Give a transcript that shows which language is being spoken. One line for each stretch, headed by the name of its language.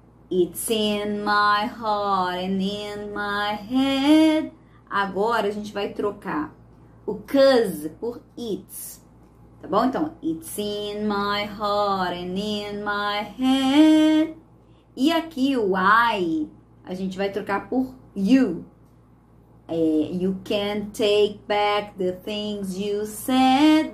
English: It's in my heart and in my head.
Portuguese: Agora a gente vai trocar o 'cause por it's. Tá bom?
English: Então, it's in my heart and in my head.
Portuguese: E aqui o I, a gente vai trocar por you.
English: É, you can take back the things you said.